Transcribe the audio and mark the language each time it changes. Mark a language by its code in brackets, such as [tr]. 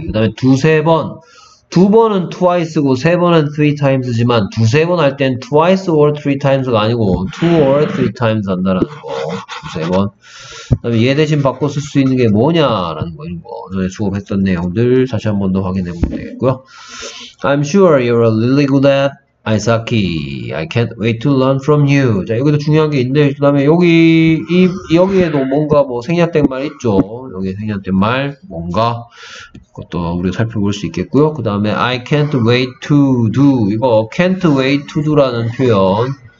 [ko] 그 다음에, 두세 번. 두 번은 twice고, 세 번은 three times지만, 두세 번 할 땐 [en] twice or three times [ko] 가 아니고, [en] two or three times [ko] 한다라는 거. 두세 번. 그 다음에, 얘 대신 바꿔 쓸 수 있는 게 뭐냐라는 거, 이런 거. 전에 수업했던 내용들, 다시 한 번 더 확인해 보면 되겠고요. [en] I'm sure you're really good at Ice hockey. I can't wait to learn from you. [ko] 자, 여기도 중요한 게 있는데, 그 다음에 여기, 여기에도 뭔가 뭐 생략된 말 있죠. 여기 생략된 말, 뭔가. 그것도 우리가 살펴볼 수 있겠고요. 그 다음에 [en] I can't wait to do. [ko] 이거 can't wait to do라는 표현.